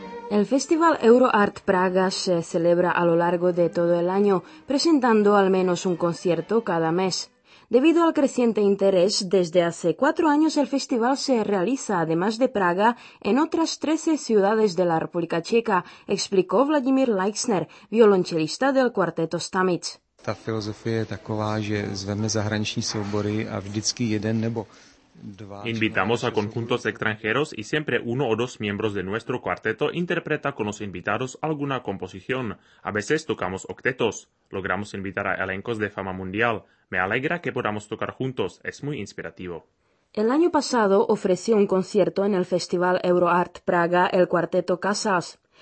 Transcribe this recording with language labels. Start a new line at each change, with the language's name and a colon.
Spanish: El Festival Euroart Praga se celebra a lo largo de todo el año, presentando al menos un concierto cada mes. Debido al creciente interés, desde hace 4 años el festival se realiza, además de Praga, en otras 13 ciudades de la República Checa, explicó Vladimir Leixner, violonchelista del cuarteto Stamets. La filosofía es
Czech: taková, že zveme zahraniční soubory a vždycky jeden nebo...
Spanish: Invitamos a conjuntos extranjeros y siempre uno o dos miembros de nuestro cuarteto interpreta con los invitados alguna composición. A veces tocamos octetos. Logramos invitar a elencos de fama mundial. Me alegra que podamos tocar juntos. Es muy inspirativo. El año pasado ofreció un concierto en el Festival Euroart Praga el cuarteto Casas.